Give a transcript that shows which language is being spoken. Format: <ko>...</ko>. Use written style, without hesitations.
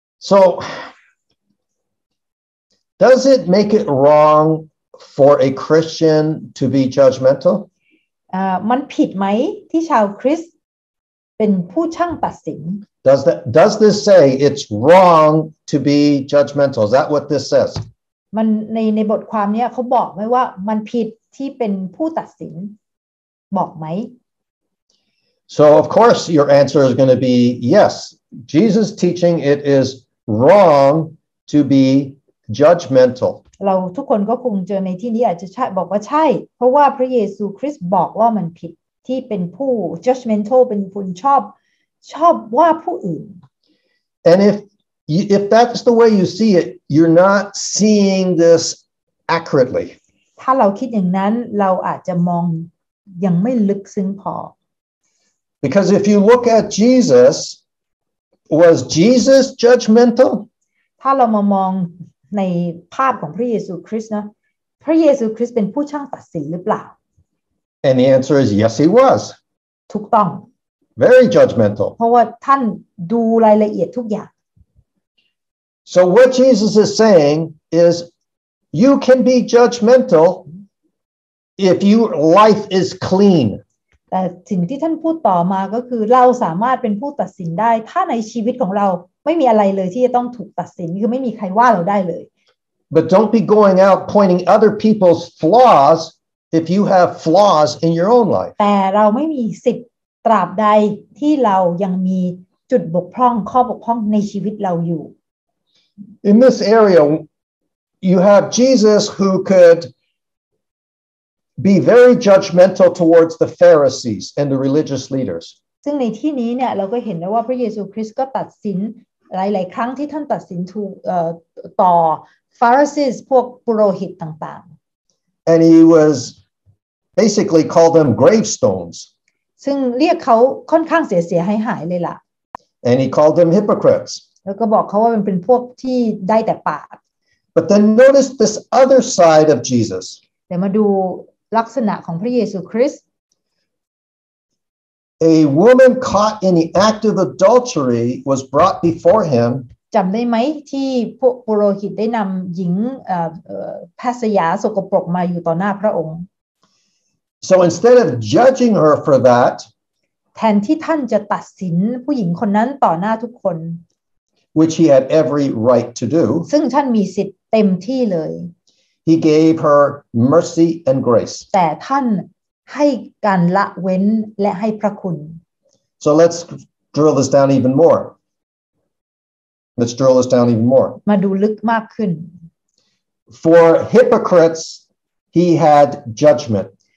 <en>So does it make it wrong for a Christian to be judgmental?</en> <th>มันผิดไหมที่ชาวคริสต์เป็นผู้ช่างตัดสิน</th> <en>Does this say it's wrong to be judgmental? Is that what this says?</en> <th>มันในบทความเนี้ยเขาบอกไหมว่ามันผิดที่เป็นผู้ตัดสินบอกไหม</th> <en>So of course your answer is going to be yes. Jesus teaching it is wrong to be judgmental.</en> <th>เราทุกคนก็คงเจอในที่นี้อาจจะใช่บอกว่าใช่เพราะว่าพระเยซูคริสต์บอกว่ามันผิดที่เป็นผู้ judgmental เป็นคนชอบว่าผู้อื่น</th> <en>And if that's the way you see it, you're not seeing this accurately.</en> <th>ถ้าเราคิดอย่างนั้นเราอาจจะมองยังไม่ลึกซึ้งพอ</th> <en>Because if you look at Jesus, was Jesus judgmental?</en> <th>ถ้าเรามองในภาพของพระเยซูคริสต์นะพระเยซูคริสต์เป็นผู้ช่างตัดสินหรือเปล่า</th> <en>And the answer is yes, he was.</en> <th>ถูกต้อง</th> <en>Very judgmental.</en> <th>เพราะว่าท่านดูรายละเอียดทุกอย่าง</th> <en>So what Jesus is saying is, you can be judgmental if your life is clean.</en> <th>แต่สิ่งที่ท่านพูดต่อมาก็คือเราสามารถเป็นผู้ตัดสินได้ถ้าในชีวิตของเราไม่มีอะไรเลยที่จะต้องถูกตัดสินคือไม่มีใครว่าเราได้เลย</th> <en>But don't be going out pointing other people's flaws if you have flaws in your own life</en> <th>แต่เราไม่มีสิทธิ์ตราบใดที่เรายังมีจุดบกพร่องข้อบกพร่องในชีวิตเราอยู่</th> <en>In this area you have Jesus who couldbe very judgmental towards the Pharisees and the religious leaders.</en> <th>ซึ่งในที่นี้เนี่ยเราก็เห็นนะว่าพระเยซูคริสต์ก็ตัดสินหลายๆครั้งที่ท่านตัดสินต่อฟาริซีพวกปุโรหิตต่าง</th> <en>ๆ And he was basically called them gravestones.</en> <th>ซึ่งเรียกเขาค่อนข้างเสียหายๆเลยล่ะ</th> <en>And he called them hypocrites.</en> <th>แล้วก็บอกเขาว่ามันเป็นพวกที่ได้แต่ปาก</th> <en>But then notice this other side of Jesus.</en> <th>แต่มาดูลักษณะของพระเยซูคริสต์</th> <en>A woman caught in the act of adultery was brought before him</en> <th>จำได้ไหมที่พวกปุโรหิตได้นำหญิงแพทย์สยาสกปรกมาอยู่ต่อหน้าพระองค์</th> <en>So instead of judging her for that</en> <th>แทนที่ท่านจะตัดสินผู้หญิงคนนั้นต่อหน้าทุกคน</th> <en>which he had every right to do</en> <th>ซึ่งท่านมีสิทธิ์เต็มที่เลย</th> <en>He gave her mercy and grace.</en> <th>แต่ท่านให้การละเว้นและให้พระคุณ</th> <en>So let's drill this down even more. Let's drill this down even more.</en> <th>มาดูลึกมากขึ้น</th> <en>For hypocrites, he had judgment.</en>